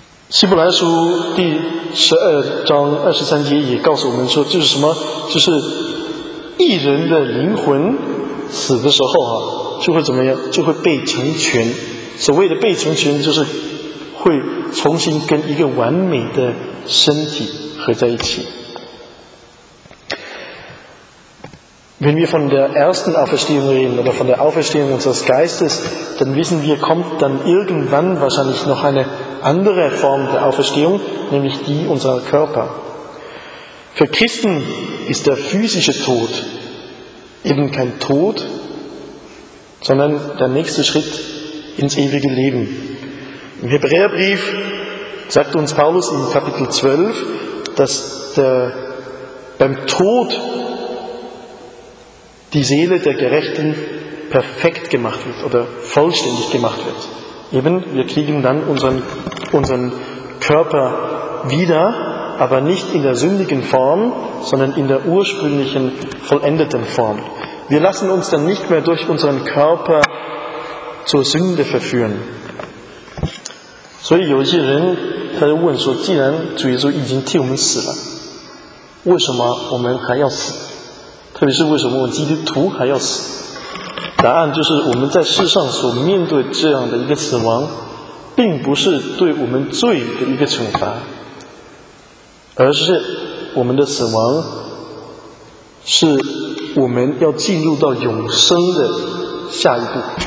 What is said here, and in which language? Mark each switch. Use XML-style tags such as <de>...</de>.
<zh>希伯来书第十二章二十三节也告诉我们说，就是什么？就是义人的灵魂死的时候啊，就会怎么样？就会被成全。所谓的被成全，就是会重新跟一个完美的身体合在一起。</zh> <de>Wenn wir von der ersten Auferstehung reden oder von der Auferstehung unseres Geistes, dann wissen wir, kommt dann irgendwann wahrscheinlich noch eine andere Form der Auferstehung, nämlich die unserer Körper. Für Christen ist der physische Tod eben kein Tod, sondern der nächste Schritt ins ewige Leben. Im Hebräerbrief sagt uns Paulus in Kapitel 12, dass beim Tod die Seele der Gerechten perfekt gemacht wird oder vollständig gemacht wird. Eben, wir kriegen dann unseren Körper wieder, aber nicht in der sündigen Form, sondern in der ursprünglichen, vollendeten Form. Wir lassen uns dann nicht mehr durch unseren Körper zur Sünde verführen.</de> <zh>So, 有些人他就问说，既然主耶稣已经替我们死了，为什么我们还要死？特别是为什么我们基督徒还要死？答案就是，我们在世上所面对这样的一个死亡，并不是对我们罪的一个惩罚，而是我们的死亡是我们要进入到永生的下一步。</zh>